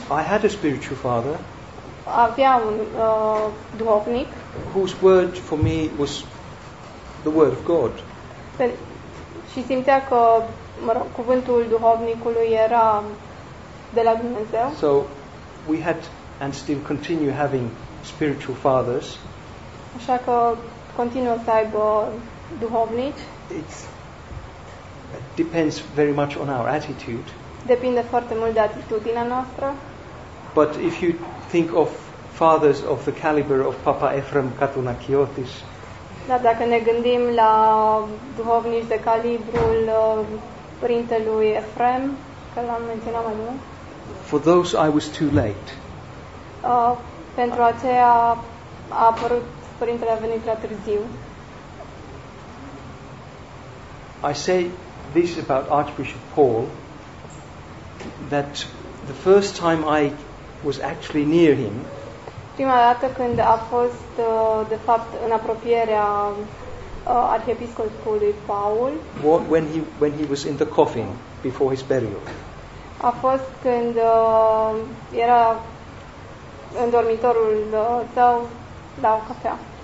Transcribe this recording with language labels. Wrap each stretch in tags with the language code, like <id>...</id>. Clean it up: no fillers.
<en>I had a spiritual father.</en> <ro>Avea un duhovnic.</ro> <en>Whose word for me was the word of God.</en> <ro>Și simțea că cuvântul duhovnicului era de la Dumnezeu.</ro> <en>So we had and still continue having spiritual fathers.</en> <ro>Așa că continuă să aibă duhovnici.</ro> <en>It depends very much on our attitude.</en> <ro>Depinde foarte mult de atitudinea noastră.</ro> <en>But if you think of fathers of the caliber of Papa Ephrem Katunakiotis.</en> <ro>Da, dacă ne gândim la duhovnici de calibrul părintelui Ephrem, că l-am menționat mai mult.</ro> <en>For those I was too late.</en> <ro>Pentru aceea a apărut părintele, a venit prea târziu.</ro> <en>I say this about Archbishop Paul, that the first time I was actually near him,</en> <ro>prima dată când a fost de fapt în apropierea arhiepiscopului Paul,</ro> <en>when he was in the coffin before his burial,</en> <ro>a fost când era în dormitorul său la o cafea.</ro>